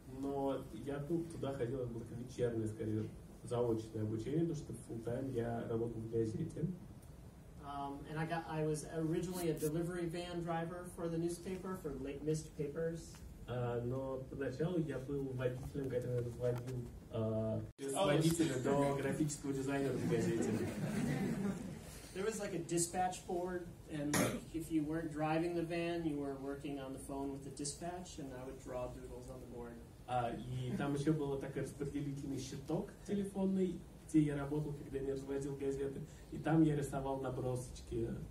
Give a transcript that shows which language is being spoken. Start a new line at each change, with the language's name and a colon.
Russian: Но я туда ходил, это было как вечернее, скорее, заочное обучение, потому что full-time я работал в газете.
English: And I was originally a delivery van driver for the newspaper, for late missed papers.
Russian: Но поначалу я был водителем, который звонил водителя до графического дизайнера в газете.
English: There was like a dispatch board, and like if you weren't driving the van, you were working on the phone with the dispatch, and I would draw doodles on the board.
Russian: И там еще был такой распределительный щиток телефонный, где я работал, когда не разводил газеты, и там я рисовал набросочки.